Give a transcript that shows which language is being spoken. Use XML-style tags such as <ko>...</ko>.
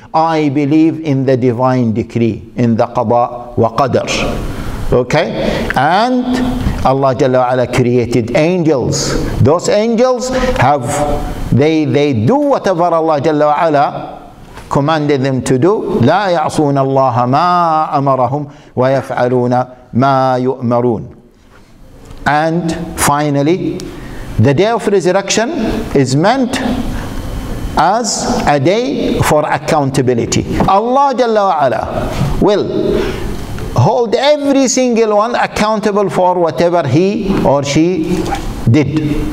<en>I believe in the divine decree, in the qada wa qadr. Okay? And Allah Jalla wa Ala created angels. Those angels they do whatever Allah Jalla wa Ala commanded them to do.</en> <ar>لا يعصون الله ما أمرهم ويفعلون ما يؤمرون.</ar> <en>And finally, the day of resurrection is meant as a day for accountability. Allah Jalla wa Ala will hold every single one accountable for whatever he or she did.</en>